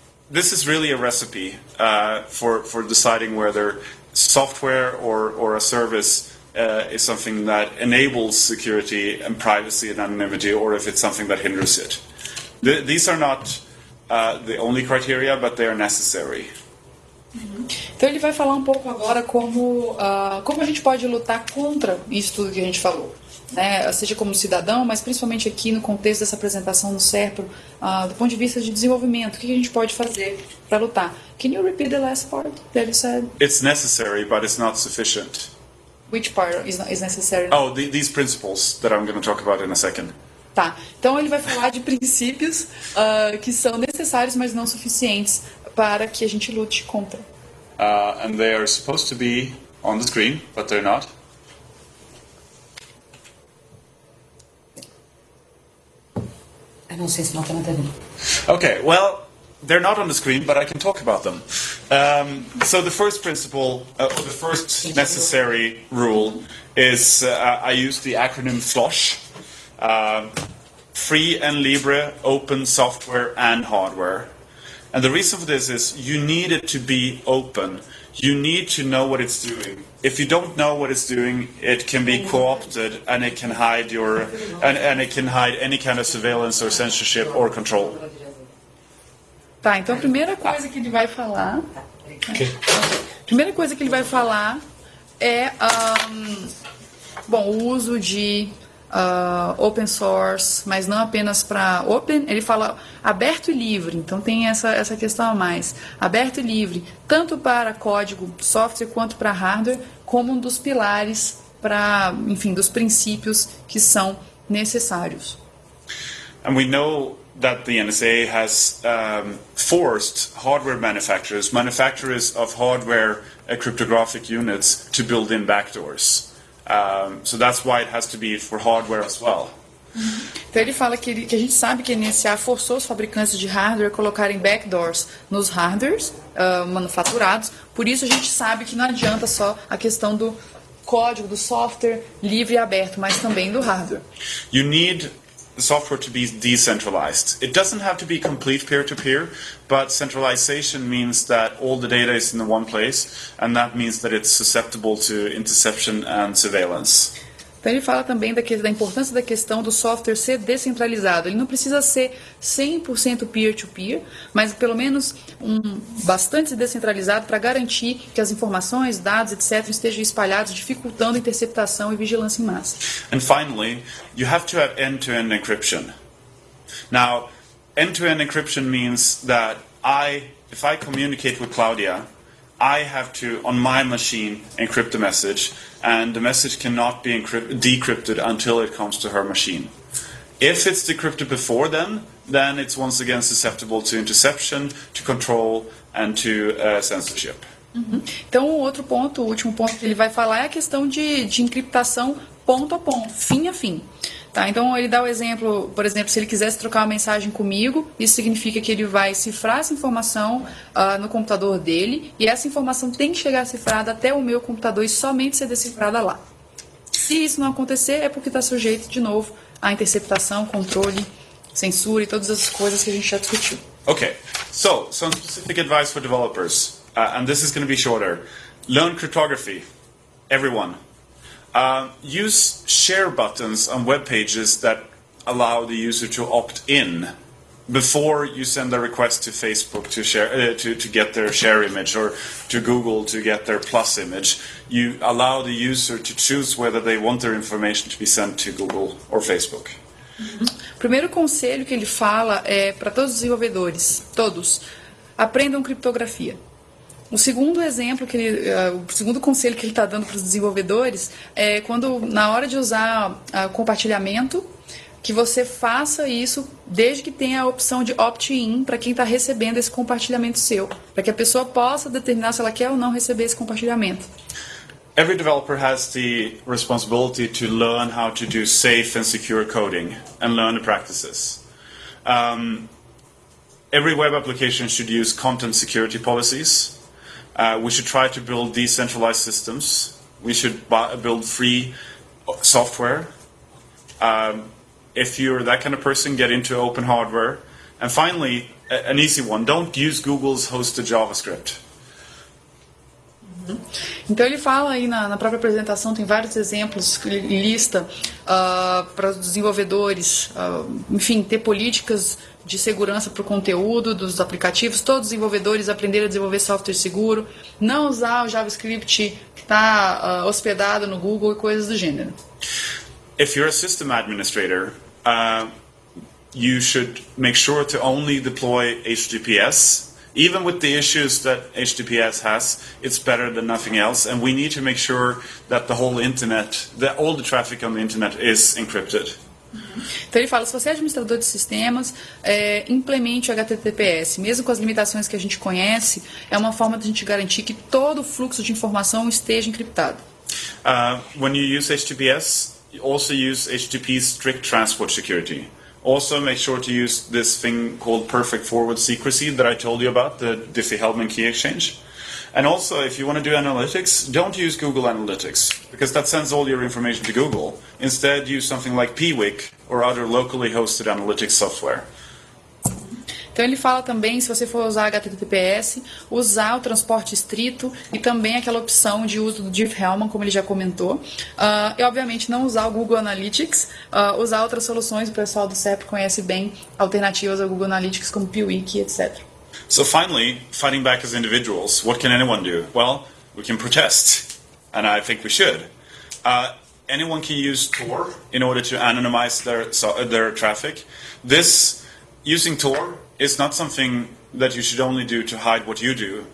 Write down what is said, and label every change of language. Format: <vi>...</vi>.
<en>This is really a recipe for deciding whether software or a service is something that enables security and privacy and anonymity, or if it's something that hinders it. These are not the only criteria, but they are necessary.</en> <pt>Então ele vai falar um pouco agora como a gente pode lutar contra isso tudo que a gente falou, né? Seja como cidadão, mas principalmente aqui no contexto dessa apresentação no CERPRO, do ponto de vista de desenvolvimento, o que a gente pode fazer para lutar?</pt> <en>Can you repeat the last part that you said? It's necessary, but it's not sufficient. Which part is necessary? Oh, these principles that I'm going to talk about in a second.</en> <pt>Tá, então ele vai falar de princípios que são necessários, mas não suficientes para que a gente lute contra.</pt> <en>And they are supposed to be on the screen, but they're not.</en> <pt>Eu não sei se não está na TV.</pt> <en>Okay, well, they're not on the screen, but I can talk about them. So the first principle, the first necessary rule is, I use the acronym FLOSH. Free and Libre, Open Software and Hardware. And the reason for this is you need it to be open. You need to know what it's doing. If you don't know what it's doing, it can be co-opted and it can hide and it can hide any kind of surveillance or censorship or control.</en> <pt>Tá, então a primeira coisa que ele vai falar.</pt> <en>Okay.</en> <pt>A primeira coisa que ele vai falar é o uso de open source, mas não apenas para open, ele fala aberto e livre, então tem essa questão a mais, aberto e livre, tanto para código, software, quanto para hardware, como um dos pilares para, enfim, dos princípios que são necessários.</pt> <en>And we know that the NSA has forced hardware manufacturers of hardware cryptographic units to build in backdoors. So that's why it has to be for hardware as well.</en> <pt>Então ele fala que a gente sabe que a NSA forçou os fabricantes de hardware a colocarem backdoors nos hardwares manufaturados, por isso a gente sabe que não adianta só a questão do código, do software livre e aberto, mas também do hardware.</pt> <en>You need the software to be decentralized. It doesn't have to be complete peer-to-peer, but centralization means that all the data is in the one place, and that means that it's susceptible to interception and surveillance.</en> <pt>Então ele fala também da importância da questão do software ser descentralizado. Ele não precisa ser 100% peer-to-peer, mas pelo menos bastante descentralizado para garantir que as informações, dados, etc. estejam espalhados, dificultando interceptação e vigilância em massa.</pt> <en>And finally, you have to have end-to-end encryption. Now, end-to-end encryption means that if I communicate with Claudia, I have to, on my machine, encrypt the message, and the message cannot be decrypted until it comes to her machine. If it's decrypted before then it's once again susceptible to interception, to control, and to censorship. Uhum.</en> <pt>Então, outro ponto, o último ponto que ele vai falar é a questão de encriptação ponto a ponto, fim a fim. Tá, então ele dá o exemplo, por exemplo, se ele quisesse trocar uma mensagem comigo, isso significa que ele vai cifrar essa informação no computador dele, e essa informação tem que chegar cifrada até o meu computador e somente ser decifrada lá. Se isso não acontecer, é porque está sujeito, de novo, à interceptação, controle, censura e todas as coisas que a gente já discutiu.</pt> <en>Ok, so some specific advice for developers, and this is going to be shorter. Learn cryptography, everyone. Use share buttons on web pages that allow the user to opt in before you send a request to Facebook to share to get their share image, or to Google to get their plus image. You allow the user to choose whether they want their information to be sent to Google or Facebook. Uhum.</en> <pt>Primeiro conselho que ele fala é para todos os desenvolvedores, todos, aprendam criptografia. O segundo exemplo, que ele, o segundo conselho que ele está dando para os desenvolvedores é quando, na hora de usar compartilhamento, que você faça isso desde que tenha a opção de opt-in para quem está recebendo esse compartilhamento seu, para que a pessoa possa determinar se ela quer ou não receber esse compartilhamento.</pt> <en>Every developer has the responsibility to learn how to do safe and secure coding and learn the practices. Every web application should use content security policies. We should try to build decentralized systems. We should build free software. If you're that kind of person, get into open hardware. And finally, an easy one, don't use Google's hosted JavaScript.</en> <pt>Então ele fala aí na própria apresentação, tem vários exemplos, lista para os desenvolvedores, enfim, ter políticas de segurança para o conteúdo dos aplicativos, todos os desenvolvedores aprenderem a desenvolver software seguro, não usar o JavaScript que está hospedado no Google e coisas do gênero.</pt> <en>If you're a system administrator, you should make sure to only deploy HTTPS. Even with the issues that HTTPS has, it's better than nothing else. And we need to make sure that the whole internet, that all the traffic on the internet is encrypted.</en> <pt>Então ele fala, se você é administrador de sistemas, implemente o HTTPS. Mesmo com as limitações que a gente conhece, é uma forma de a gente garantir que todo o fluxo de informação esteja encriptado.</pt> <en>When you use HTTPS, you also use HTTP strict transport security. Also, make sure to use this thing called perfect forward secrecy that I told you about, the Diffie-Hellman key exchange. And also, if you want to do analytics, don't use Google Analytics, because that sends all your information to Google. Instead, use something like Pwik or other locally hosted analytics software.</en> <pt>Então, ele fala também, se você for usar HTTPS, usar o transporte estrito e também aquela opção de uso do Diffie-Hellman, como ele já comentou. E, obviamente, não usar o Google Analytics, usar outras soluções. O pessoal do CEP conhece bem alternativas ao Google Analytics, como Pwik, etc.</pt> <en>So, finally, fighting back as individuals, what can anyone do? Well, we can protest, and I think we should. Anyone can use Tor in order to anonymize their traffic. This, using Tor, it's not something that you should only do to hide what you do.</en>